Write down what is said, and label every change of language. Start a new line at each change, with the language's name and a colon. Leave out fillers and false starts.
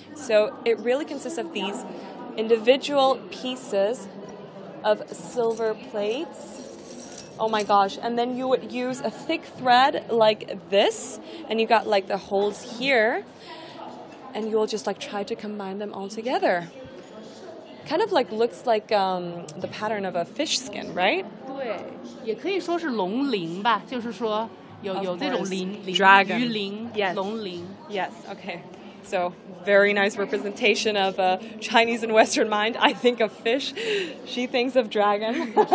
English: So it really consists of these individual pieces of silver plates. Oh my gosh. And then you would use a thick thread like this. And you got like the holes here. And you will just like try to combine them all together. Kind of like looks like the pattern of a fish skin, right?
Chinese: 对，也可以说是龙鳞吧，就是说有这种鳞，
English: dragon.
Chinese: 鱼鳞，
English: yes.
Chinese: 龙鳞。
English: Yes, okay. So, very nice representation of a Chinese and Western mind. I think of fish, she thinks of dragon.